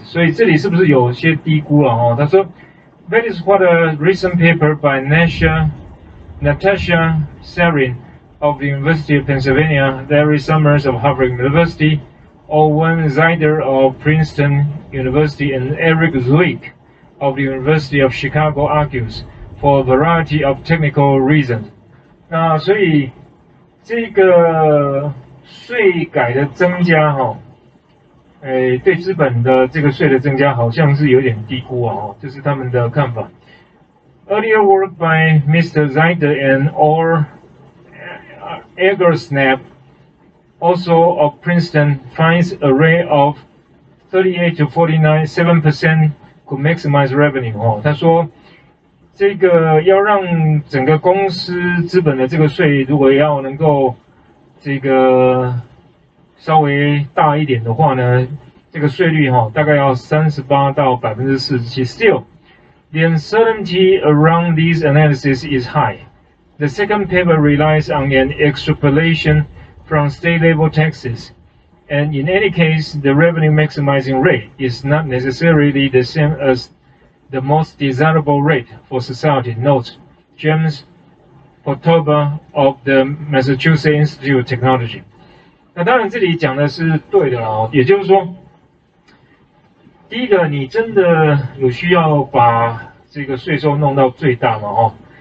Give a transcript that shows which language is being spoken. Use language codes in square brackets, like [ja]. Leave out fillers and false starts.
[zh] 所以这里是不是有些低估了哦？他说， [en] That is what a recent paper by Natasha Sarin of the University of Pennsylvania, Larry Summers of Harvard University, Owen Zider of Princeton University, and Eric Zwick of the University of Chicago argues for a variety of technical reasons。 [zh] 那所以这个税改的增加，对资本的这个税的增加好像是有点低估啊，这是他们的看法。 [en] Earlier work by Mr. Zider and Orr Eggersnap, also of Princeton, finds a rate of 38 to 49, 7% could maximize revenue。 [zh] 他说，这个要让整个公司资本的这个税，如果要能够这个稍微大一点的话呢，这个税率大概要38到47%。 [en] Still, the uncertainty around these analyses is high. The second paper relies on an extrapolation from state-level taxes, and in any case, the revenue-maximizing rate is not necessarily the same as the most desirable rate for society, notes James Potoba of the Massachusetts Institute of Technology。 [zh] 那当然，这里讲的是对的啊，也就是说，第一个，你真的有需要把这个税收弄到最大吗？